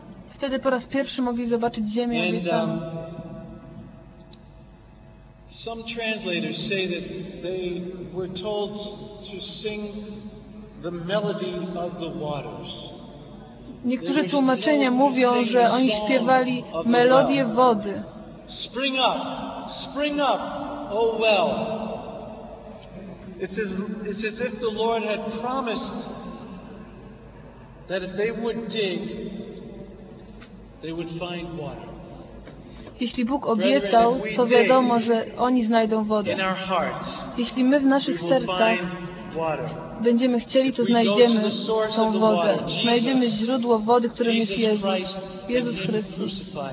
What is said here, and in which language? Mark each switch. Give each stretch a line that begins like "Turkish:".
Polish: Wtedy po raz pierwszy mogli zobaczyć ziemię obiecaną.
English: Some translators say that they were told to sing the melody of the waters.
Polish: Niektórzy tłumaczenia mówią, że oni śpiewali melodię wody.
English: Spring up, O well. It's as if the Lord had promised that if they would dig, they would find water.
Polish: Jeśli Bóg obiecał, to wiadomo, że oni znajdą wodę. Jeśli my w naszych sercach będziemy chcieli, to znajdziemy tą wodę. Znajdziemy źródło wody, którym jest Jezus. Jezus Chrystus.